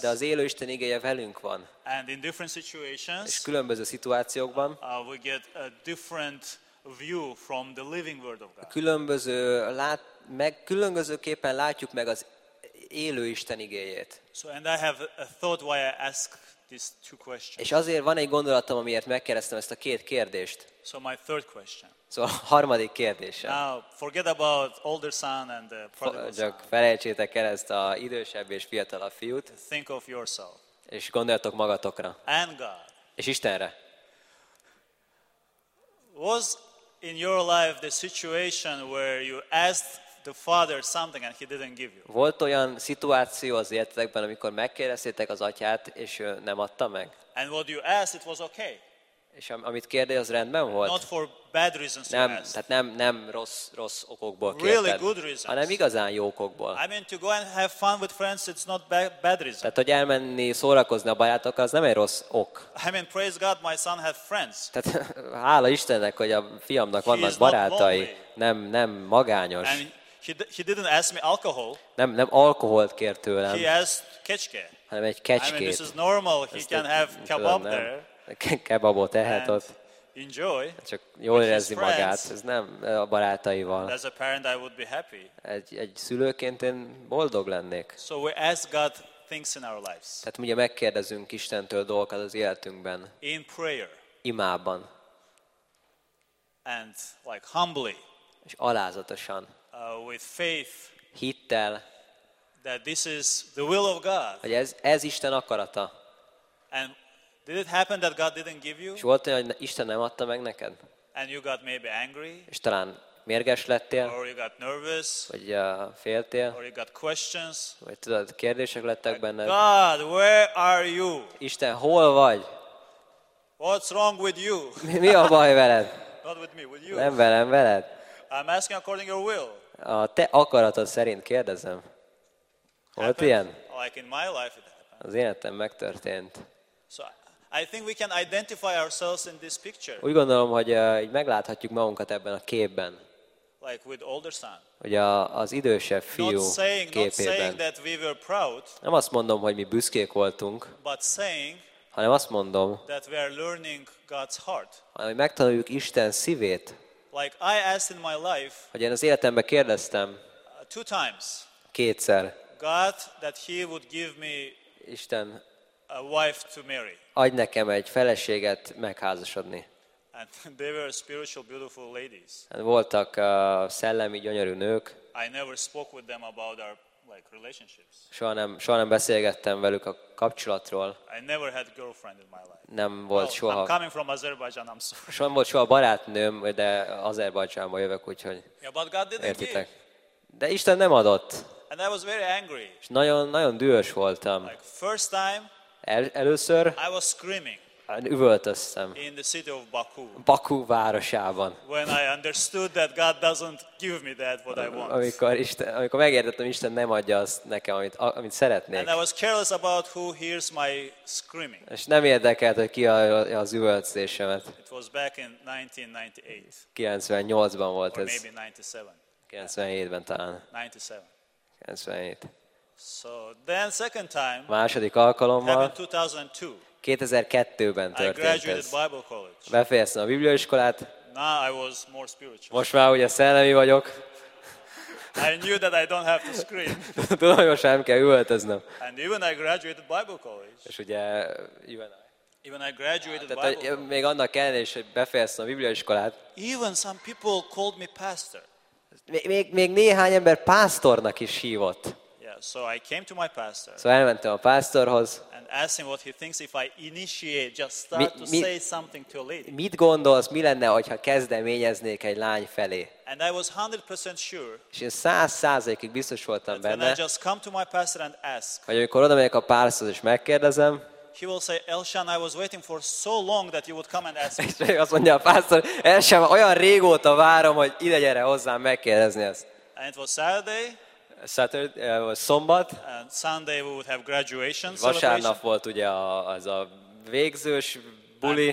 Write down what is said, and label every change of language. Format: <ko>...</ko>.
<hu>De az élő Isten igéje velünk van.</hu> <en>And in different situations.</en> <hu>És különböző szituációkban.</hu> <en>We get a different view from the living word of God.</en> <hu>Különböző különbözőképpen látjuk meg az élő Isten igéjét.</hu> <en>So and I have a thought why I ask these two questions.</en> <hu>És azért van egy gondolatom, amiért megkérdeztem ezt a két kérdést.</hu> <en>So my third question.</en> <hu>Szóval a harmadik kérdésem.</hu> <en>Now forget about older son and the prodigal son.</en> <hu>Csak felejtsétek el ezt a idősebb és fiatalabb fiút.</hu> <en>Think of yourself.</en> <hu>És gondoljatok magatokra.</hu> <en>And God.</en> <hu>És Istenre.</hu> <en>Was in your life the situation where you asked the father something and he didn't give you?</en> <hu>Volt olyan szituáció az életekben, amikor megkérdeztétek az atyát, és ő nem adta meg?</hu> <en>And what you asked, it was okay.</en> <hu>És amit kérdezi, az rendben volt?</hu> <en>Not for bad reasons.</en> <hu>Nem, tehát nem rossz okokból kérted.</hu> <en>Really good reasons.</en> <hu>Hanem igazán jó okokból.</hu> <en>I mean to go and have fun with friends, it's not bad reason.</en> <hu>Tehát hogy elmenni szórakozni a barátokkal, az nem egy rossz ok.</hu> <en>I mean praise God, my son has friends.</en> <hu>Tehát hála Istennek, hogy a fiamnak vannak barátai. Nem magányos.</hu> <en>And he didn't ask me alcohol.</en> <hu>Nem alkoholt kért tőlem.</hu> <en>He asked kecske.</en> <hu>Hanem egy kecskét.</hu> <en>I mean, this is normal. He can have kebab there.</en> <hu>Kebabot ehet ott.</hu> <en>Enjoy.</en> <hu>Csak jól érezni magát. Ez nem a barátaival.</hu> <en>As a parent, I would be happy.</en> <hu>Egy szülőként én boldog lennék.</hu> <en>So we ask God things in our lives.</en> <hu>Tehát ugye megkérdezünk Istentől dolgokat az életünkben.</hu> <en>In prayer.</en> <hu>Imában.</hu> <en>And like humbly.</en> <hu>És alázatosan.</hu> <en>With faith,</en> <hu>hittel,</hu> <en>that this is the will of God.</en> <hu>Hogy ez Isten akarata.</hu> <en>And did it happen that God didn't give you?</en> <hu>És volt olyan, hogy Isten nem adta meg neked?</hu> <en>And you got maybe angry.</en> <hu>És talán mérges lettél.</hu> <en>Or you got nervous.</en> <hu>Vagy féltél.</hu> <en>Or you got questions.</en> <hu>Vagy tudod, kérdések lettek benned.</hu> <en>God, where are you?</en> <hu>Isten, hol vagy?</hu> <en>What's wrong with you?</en> <hu>Mi a baj veled?</hu> <en>Not with me, with you.</en> <hu>Nem velem, veled.</hu> <en>I'm asking according your will.</en> <hu>A te akaratod szerint kérdezem. Volt ilyen?</hu> <en>Like in my life it happened.</en> <hu>Az életem megtörtént.</hu> <en>So I think we can identify ourselves in this picture.</en> <hu>Úgy gondolom, hogy így megláthatjuk magunkat ebben a képben.</hu> <en>Like with older son.</en> <hu>Hogy az idősebb fiú képében.</hu> <en>Not saying that we were proud.</en> <hu>Nem azt mondom, hogy mi büszkék voltunk.</hu> <en>But saying.</en> <hu>Hanem azt mondom.</hu> <en>That we are learning God's heart.</en> <hu>Hanem megtanuljuk Isten szívét.</hu> <en>Like I asked in my life.</en> <hu>Hogy én az életemben kérdeztem.</hu> <en>Two times.</en> <hu>Kétszer.</hu> <en>God that he would give me</en> <hu>Isten</hu> <en>a wife to marry.</en> <hu>Adj nekem egy feleséget megházasodni.</hu> <en>And they were spiritual beautiful ladies.</en> <hu>And voltak szellemi gyönyörű nők.</hu> <en>I never spoke with them about our like relationships.</en> <hu>Soha nem beszélgettem velük a kapcsolatról.</hu> <en>I never had a girlfriend in my life.</en> <hu>Nem volt</hu> <en>well,</en> <hu>soha.</hu> <en>I'm coming from Azerbaijan, I'm sorry.</en> <hu>Soha nem volt soha barátnőm, de Azerbajdzsánba jövök, úgyhogy.</hu> <en>Yeah, but God didn't</en> <hu>értitek.</hu> <en>Give.</en> <hu>De Isten nem adott.</hu> <en>And I was very angry.</en> <hu>És nagyon nagyon dühös voltam.</hu> <en>Like first time.</en> <hu>Először.</hu> <en>I was screaming.</en> <hu>Üvöltöztem.</hu> <en>In the city of Baku.</en> <hu>Baku városában.</hu> <en>When I understood that God doesn't give me that what I want.</en> <hu>Amikor megértettem, Isten nem adja azt nekem, amit szeretnék.</hu> <en>And I was careless about who hears my screaming.</en> <hu>És nem érdekelt, hogy ki hallja az üvöltésemet.</hu> <en>It was back in 1998.</en> <hu>98-ban volt</hu> <en>or</en> <hu>ez.</hu> <en>Maybe 97.</en> <hu>97-ben talán. 97. 97.</hu> <en>So then second time.</en> <hu>Második alkalommal.</hu> <en>Happened 2002.</en> <hu>2002-ben történt ez. Befejeztem a bibliaiskolát.</hu> <en>Now I was more spiritual.</en> <hu>Most már ugye szellemi vagyok.</hu> <en>I knew that I don't have to scream.</en> <hu>Tudom, hogy most nem kell üvöltöznöm.</hu> <en>And even I graduated Bible college.</en> <hu>És ugye</hu> <en>even I graduated Bible college.</en> <hu>Még annak ellenére is, hogy befejeztem a bibliaiskolát.</hu> <en>Even some people called me pastor.</en> <hu>Még néhány ember pásztornak is hívott.</hu> <en>So I came to my pastor.</en> <hu>So elmentem a pásztorhoz.</hu> <en>And asked him what he thinks if I initiate, just start to say something to a lady.</en> <hu>Mit gondolsz, mi lenne, hogyha kezdeményeznék egy lány felé?</hu> <en>And I was 100% sure.</en> <hu>És én 100%-ig biztos voltam benne.</hu> <en>And I just come to my pastor and ask.</en> <hu>Hogy amikor odamegyek a pásztorhoz és megkérdezem.</hu> <en>he will say, Elshan, I was waiting for so long that you would come and ask.</en> <hu>És azt mondja a pásztor, Elshan, olyan régóta várom, hogy ide gyere hozzám megkérdezni ezt.</hu> <en>And it was Saturday.</en> <hu>Saturday, szombat.</hu> <en>And Sunday we would have graduation celebration.</en> <hu>Vasárnap volt ugye az a végzős buli.</hu>